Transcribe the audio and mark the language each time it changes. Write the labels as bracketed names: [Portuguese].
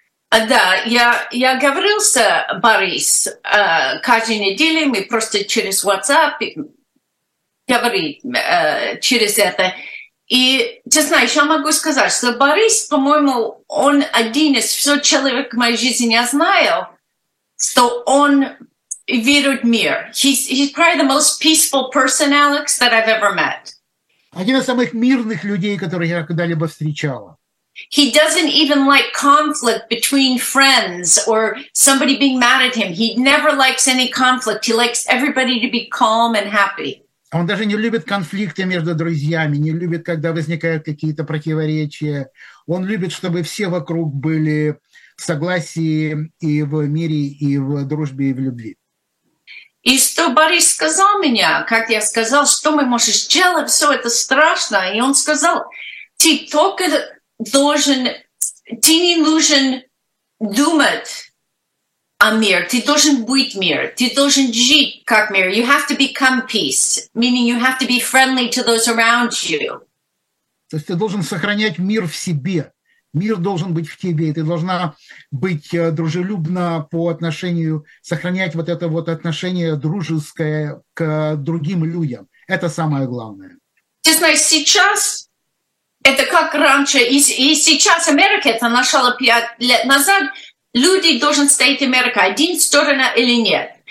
[Russian] Да, я говорил с Борис каждую неделю, мы просто через WhatsApp говорим через это. И ты знаешь, я могу сказать, что Борис, по-моему, он один из всех человек в моей жизни, я знаю, что он видит мир. [English] He's probably the most peaceful person, Alex, that I've ever met. [Russian] Один из самых мирных людей, которых я когда-либо встречала. [English] He doesn't even like conflict between friends or somebody being mad at him. He never likes any conflict. He likes everybody to be calm and happy. [Russian] Он даже не любит конфликты между друзьями, не любит, когда возникают какие-то противоречия. Он любит, чтобы все вокруг были в согласии и в мире, и в дружбе, и в любви. И что Борис сказал мне, как я сказал, что мы можем сделать, все это страшно. И он сказал, ты только... должен, ты не должен думать о мире, ты должен быть мир, ты должен жить как мир. [English] You have to become peace, meaning you have to be friendly to those around you. [Russian] То есть ты должен сохранять мир в себе. Мир должен быть в тебе, и ты должна быть дружелюбна по отношению, сохранять вот это вот отношение дружеское к другим людям. Это самое главное. Ты знаешь, сейчас это как раньше, и сейчас Америка, это начало 5 лет назад, люди должны стоять Америка, один сторона или нет.